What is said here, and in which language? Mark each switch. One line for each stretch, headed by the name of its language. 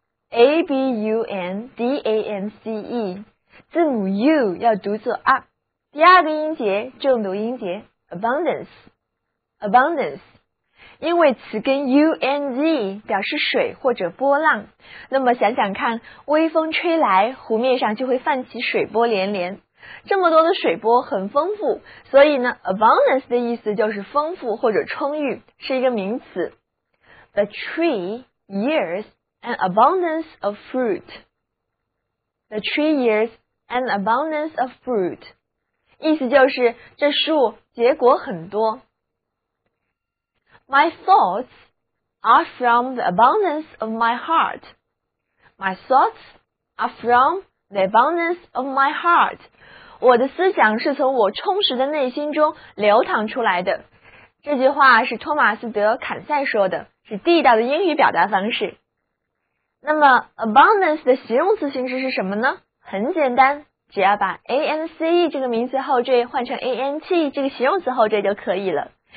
Chinese: A-B-U-N-D-A-N-C-E, 字母 U 要读作 A, 第二个音节重读音节 Abundance, Abundance, 因为词根 U-N-Z 表示水或者波浪，那么想想看，微风吹来，湖面上就会泛起水波连连，这么多的水波很丰富，所以呢 Abundance 的意思就是丰富或者充裕，是一个名词。
English: The tree yearsAn abundance of fruit. The tree yields an abundance of fruit.
Chinese: 意思就是这树结果很多。
English: My thoughts are from the abundance of my heart. My thoughts are from the abundance of my heart.
Chinese: 我的思想是从我充实的内心中流淌出来的。这句话是托马斯·德·坎塞说的，是地道的英语表达方式。那么 abundance 的形容词形式是什么呢？很简单，只要把 ance 这个名词后缀换成 ant 这个形容词后缀就可以了。